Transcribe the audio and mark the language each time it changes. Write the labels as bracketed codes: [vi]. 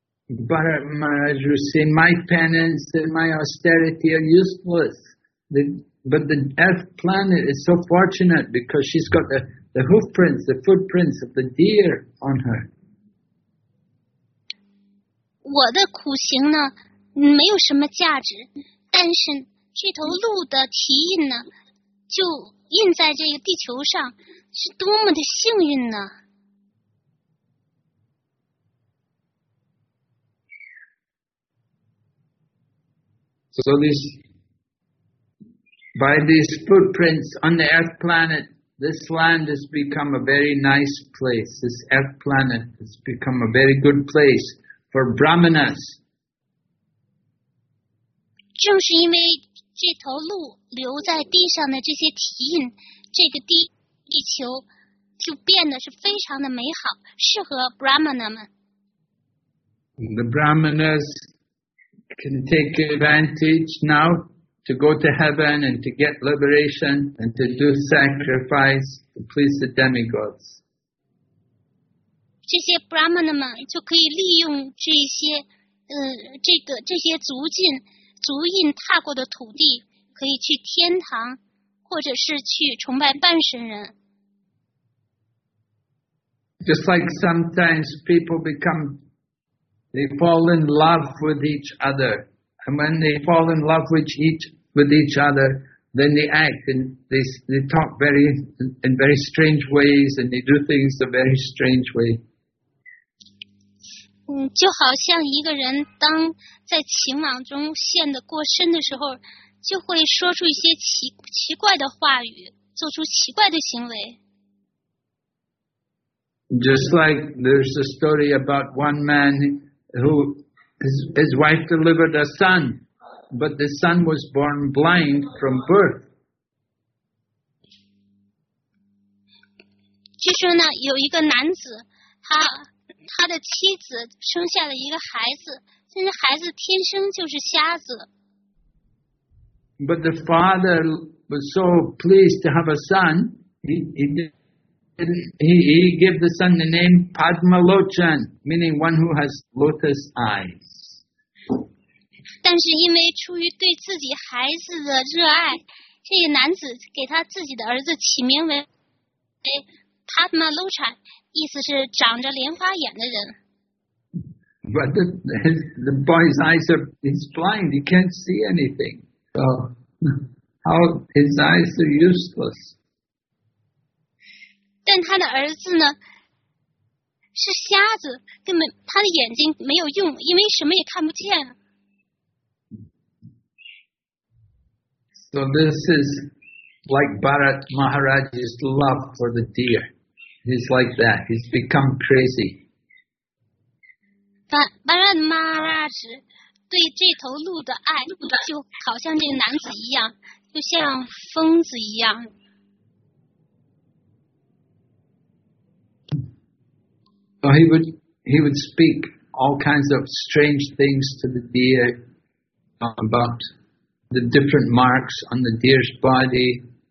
[en] Bharat Maharaj would say, my penance and my austerity are useless. But the earth planet is so fortunate because she's got the hoofprints, the footprints of the deer on her. [zh] 我的苦行呢，没有什么价值，但是这头鹿的蹄印呢，就印在这个地球上，是多么的幸运呢。 [en] So this, by these footprints on the earth planet, this land has become a very nice place. This earth planet has become a very good place for brahmanas. [zh] 正是因为这头鹿留在地上的这些蹄印，这个地球就变得是非常的美好，适合 brahmana 们。 [en] The brahmanas. Can take advantage now to go to heaven and to get liberation and to do sacrifice to please the demigods. [zh] 这些 Brahman 们就可以利用这些这些足印踏过的土地，可以去天堂，或者是去崇拜半神人。 [en] Just like sometimes people becomeThey fall in love with each other. And when they fall in love with each other, then they act and they talk very, in very strange ways and they do things a very strange way. [zh] 就好像一个人当在情网中陷得过深的时候，就会说出一些奇怪的话语，做出奇怪的行为。 [en] Just like there's a story about one man who his wife delivered a son, but the son was born blind from birth. [zh] 据说呢，有一个男子，他的妻子生下了一个孩子，但是孩子天生就是瞎子。 [en] But the father was so pleased to have a son, He gave the son the name Padmalochan, meaning one who has lotus eyes. [zh] 但是因为出于对自己孩子的热爱，这个男子给他自己的儿子起名为 Padmalochan, 意思是长着莲花眼的人。 [en] But the boy's eyes he's blind, he can't see anything. So how his eyes are useless. [zh] 但他的儿子呢, 是瞎子, 根本, 他的眼睛没有用, 因为什么也看不见。 [en] So this is like Bharat Maharaj's love for the deer. He's like that. He's become crazy. [zh] Bharat Maharaj 对这头鹿的爱 就好像这个男子一样, 就像疯子一样。 [en] So he would speak all kinds of strange things to the deer about the different marks on the deer's body.